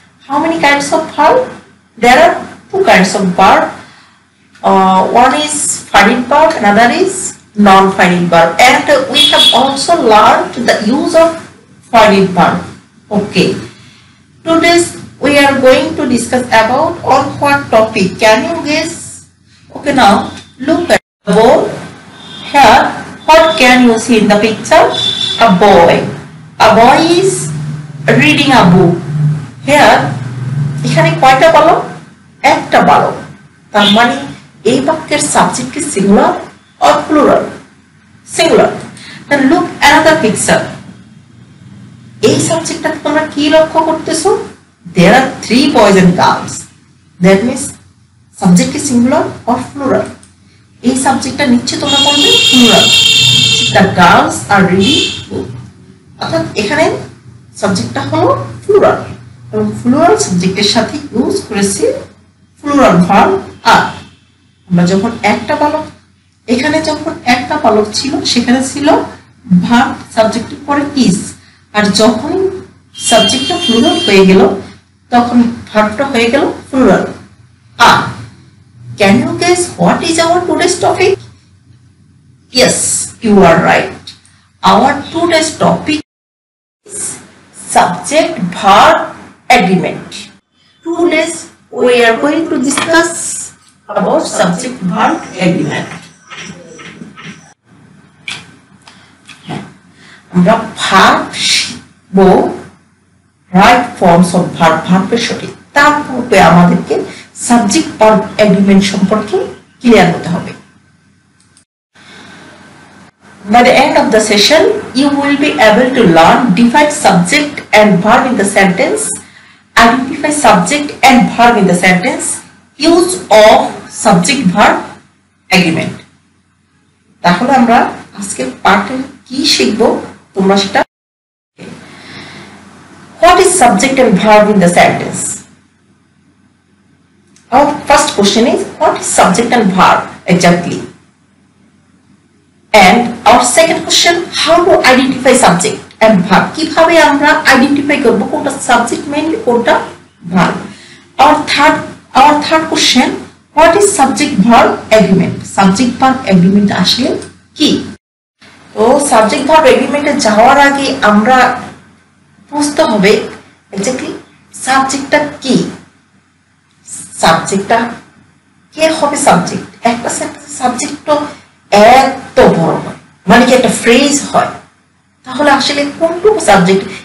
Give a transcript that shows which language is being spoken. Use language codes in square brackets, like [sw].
[en] How many kinds of verb? There are two kinds of verb, one is finite verb, another is non finite verb, and we have also learned the use of finite verb. Okay, today's we are going to discuss about on what topic, can you guess? Okay, now look at the board here, what can you see in the picture? A boy, a boy is reading a book. [bn] Here, ইখানে কয়টা বালক? একটা বালক, তার মানে এই বাক্যের subject কি singular or plural? [en] Singular. Then look another picture. [bn] এই সাবজেক্টটা তোমরা কি লক্ষ্য করতেছো? [en] There are three boys and girls. That means subject is singular or plural. [bn] এই সাবজেক্টটা নিচ্ছে তোমরা বলবে plural. [en] The girls are reading book. [bn] অর্থাৎ এখানে সাবজেক্টটা হলো ফ্লুরাল এবং ফ্লুরাল সাবজেক্টের সাথে ইউজ করেছি ফ্লুরাল ভার্ব আর। আমরা যখন একটা বালক, এখানে যখন একটা বালক ছিল সেখানে ছিল ভার্ব, সাবজেক্টের পরে ইজ, আর যখন সাবজেক্টটা ফ্লুরাল হয়ে গেল তখন ভার্বটা হয়ে গেল pleural আর। [en] Can you guess what is our today's topic? Yes, you are right, our today's topic subject verb agreement. Today we are going to discuss about subject verb agreement. [bn] আমরা verb শিখবো, right forms of verb, verb সঠিক, তার পূর্বে আমাদেরকে subject verb agreement সম্পর্কে clear হতে হবে। [en] By the end of the session, you will be able to learn, define subject and verb in the sentence, identify subject and verb in the sentence, use of subject verb agreement. [bn] তাহলে আমরা আজকে পাঠে কি শিখবো তোমরা সেটা? [en] What is subject and verb in the sentence? Our first question is, what is subject and verb exactly? And our second question, how to identify subject and verb? [bn] কিভাবে আমরা আইডেন্টিফাই করব কোনটা সাবজেক্ট মেইনলি কোনটা verb? [en] Our third question, what is subject verb agreement? [bn] Subject verb agreement আসলে কি? তো subject verb এগ্রিমেন্টে যাওয়ার আগে আমরা বুঝতে হবে এক্স্যাক্টলি সাবজেক্টটা কি, সাবজেক্টটা কে হবে সাবজেক্ট? একটা সেন্টেন্স সাবজেক্ট তো এত বড় হয়, মানে কি একটা ফ্রেজ হয়, তাহলে আসলে কোনটুকু সাবজেক্ট?